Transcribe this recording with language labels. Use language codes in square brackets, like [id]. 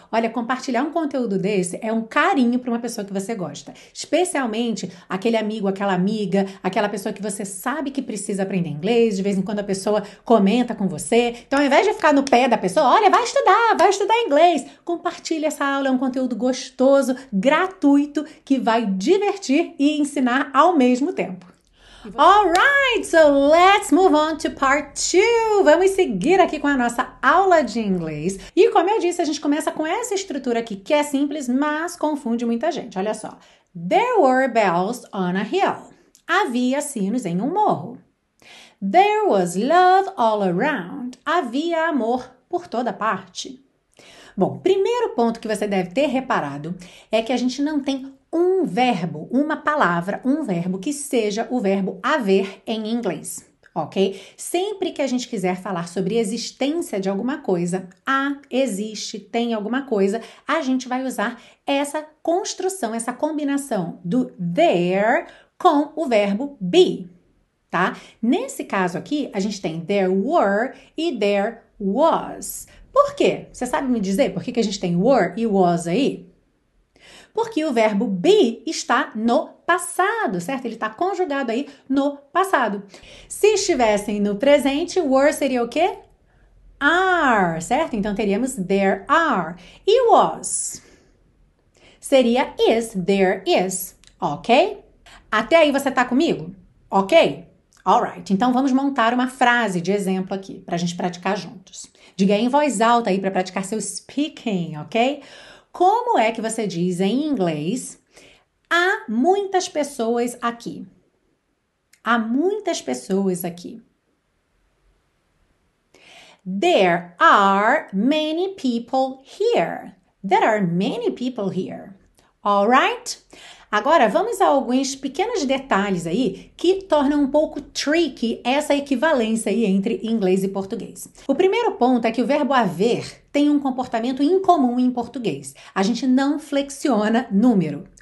[pt] Olha, compartilhar um conteúdo desse é um carinho para uma pessoa que você gosta, especialmente aquele amigo, aquela amiga, aquela pessoa que você sabe que precisa aprender inglês. De vez em quando a pessoa comenta com você. Então, ao invés de ficar no pé da pessoa, olha, vai estudar inglês. Compartilhe essa aula, é um conteúdo gostoso, gratuito, que vai divertir e ensinar ao mesmo tempo. [en] All right, so let's move on to part two. [pt] Vamos seguir aqui com a nossa aula de inglês. E como eu disse, a gente começa com essa estrutura aqui que é simples, mas confunde muita gente. Olha só. [en] There were bells on a hill. [pt] Havia sinos em um morro. [en] There was love all around. [pt] Havia amor por toda parte. Bom, primeiro ponto que você deve ter reparado é que a gente não tem um verbo, uma palavra, um verbo que seja o verbo haver em inglês, ok? Sempre que a gente quiser falar sobre existência de alguma coisa, há, existe, tem alguma coisa, a gente vai usar essa construção, essa combinação do there com o verbo be, tá? Nesse caso aqui, a gente tem there were e there was. Por quê? Você sabe me dizer por que que a gente tem were e was aí? Porque o verbo be está no passado, certo? Ele está conjugado aí no passado. Se estivessem no presente, were seria o quê? Are, certo? Então teríamos there are. E was seria is, there is, ok? Até aí você está comigo? Ok? Alright, então vamos montar uma frase de exemplo aqui para a gente praticar juntos. Diga aí em voz alta aí para praticar seu speaking, ok? Como é que você diz em inglês? Há muitas pessoas aqui. Há muitas pessoas aqui. [en] There are many people here. There are many people here. All right? [pt] Agora, vamos a alguns pequenos detalhes aí que tornam um pouco tricky essa equivalência aí entre inglês e português. O primeiro ponto é que o verbo haver tem um comportamento incomum em português. A gente não flexiona número.